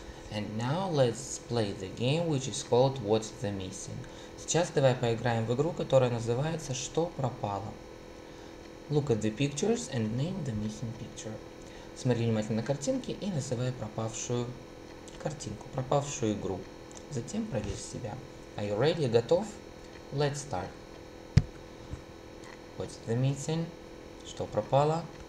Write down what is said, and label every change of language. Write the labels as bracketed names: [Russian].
[English] And now let's play the game, which is called What's the Missing. [Russian] Сейчас давай поиграем в игру, которая называется Что пропало? [English] Look at the pictures and name the missing picture. [Russian] Смотри внимательно на картинки и называй пропавшую картинку, пропавшую игру. Затем проверь себя. [English] Are you ready? [Russian] Готов? [English] Let's start. What's the missing? [Russian] Что пропало?